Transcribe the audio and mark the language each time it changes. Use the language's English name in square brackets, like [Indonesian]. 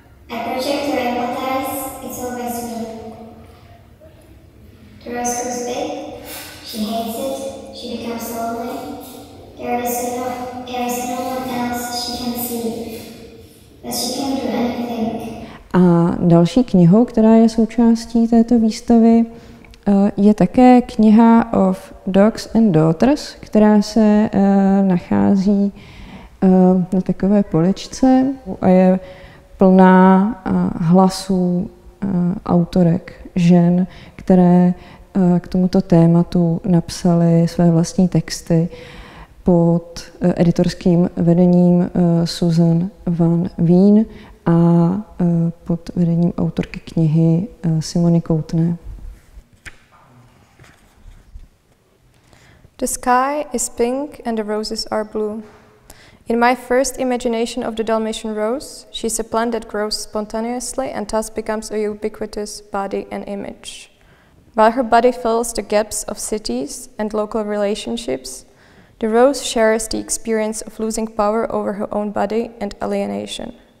[English] I project her empathize, it's always me. The rose grows big, she hates it, she becomes lonely. There is no one else she can see, but she can do anything. [Czech] A další knihou, která je součástí této výstavy, je také kniha Of Dogs and Daughters, která se nachází na takové poličce a je plná hlasů autorek, žen, které k tomuto tématu napsaly své vlastní texty pod editorským vedením Susan Van Veen a pod vedením autorky knihy Simony Koutné. [English] The sky is pink and the roses are blue. In my first imagination of the Dalmatian rose, she's a plant that grows spontaneously and thus becomes a ubiquitous body and image. While her body fills the gaps of cities and local relationships, the rose shares the experience of losing power over her own body and alienation.